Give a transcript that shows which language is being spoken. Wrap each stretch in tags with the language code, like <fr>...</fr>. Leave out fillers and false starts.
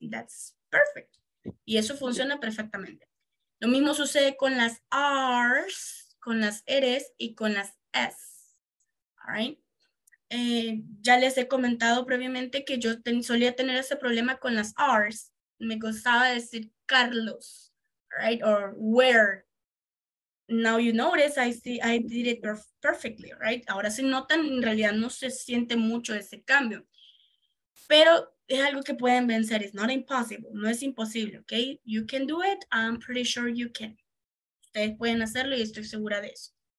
<en>That's perfect.</en> <es>Y eso funciona perfectamente. Lo mismo sucede con las R's, con las R's y con las S.</es> <en>All right.</en> <es>Ya les he comentado previamente que yo solía tener ese problema con las R's. Me gustaba decir Carlos, right?</es> <en>Or where. Now you notice, I did it perfectly, right?</en> <es>Ahora se notan, en realidad no se siente mucho ese cambio. Pero es algo que pueden vencer.</es> <en>It's not impossible.</en> <es>No es imposible, okay?</es> <en>You can do it. I'm pretty sure you can.</en> <es>Ustedes pueden hacerlo y estoy segura de eso.</es>